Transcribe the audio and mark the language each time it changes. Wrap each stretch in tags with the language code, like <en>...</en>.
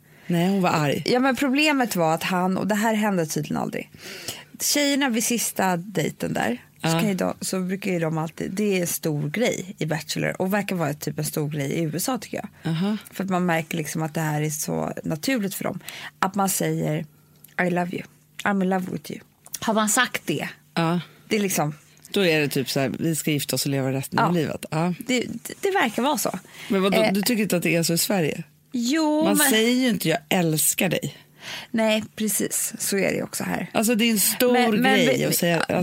<sv>Nej, hon var arg. Ja, men problemet var att han, och det här hände tydligen aldrig. Tjejerna vid sista dejten där, så brukar ju de alltid, det är en stor grej i Bachelor och verkar vara typ en stor grej i USA tycker jag. Uh-huh. För att man märker liksom att det här är så naturligt för dem. Att man säger</sv> <en>I love you, I'm in love with you.</en> <sv>Har man sagt det? Ja. Det är liksom, då är det typ så här, vi ska gifta oss och leva resten av livet. Ja. Det verkar vara så. Men vadå, du tycker inte att det är så i Sverige? Jo, man säger ju inte jag älskar dig. Nej, precis. Så är det också här. Alltså det är en stor grej att säga. Alltså,</sv>